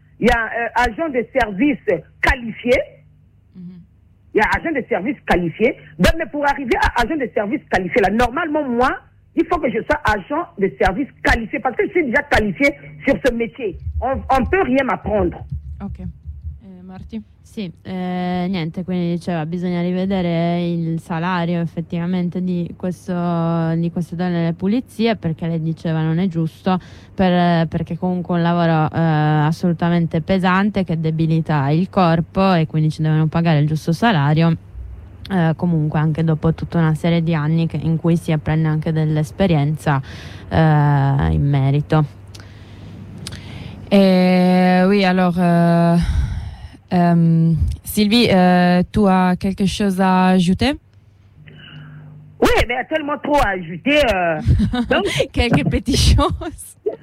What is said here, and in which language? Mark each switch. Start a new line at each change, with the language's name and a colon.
French: Il y a agent de service qualifié. Mm-hmm. Il y a agent de service qualifié. Donc, mais pour arriver à agent de service qualifié, là, normalement, moi, il faut que je sois agent de service qualifié, parce que je suis déjà qualifié sur ce métier. On ne peut rien m'apprendre. Ok. Marti.
Italian: Sì, niente, quindi diceva, bisogna rivedere il salario effettivamente di queste donne delle pulizie, perché le diceva non è giusto, perché comunque un lavoro assolutamente pesante che debilita il corpo e quindi ci devono pagare il giusto salario. Comunque anche dopo tutta una serie di anni in cui si apprende anche dell'esperienza in merito.
French: Oui, alors Sylvie, tu as quelque chose à ajouter? Oui, mais il y a tellement trop à ajouter. Quelques petites choses.